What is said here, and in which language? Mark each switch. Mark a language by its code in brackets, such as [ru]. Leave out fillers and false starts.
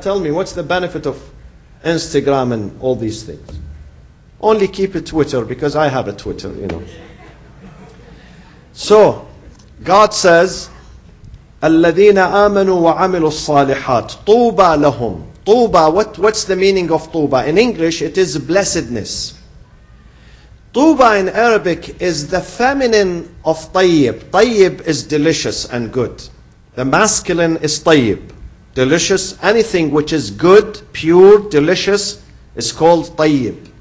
[en] Tell me, what's the benefit of Instagram and all these things? Only keep it Twitter, because I have a Twitter, you know. So, God says, [ar] الذين آمنوا وعملوا الصالحات طوبى لهم. [en] طوبى, what's the meaning of طوبى? In English, it is blessedness. طوبى in Arabic is the feminine of طيب. طيب is delicious and good. The masculine is طيب, delicious. Anything which is good, pure, delicious is called طيب.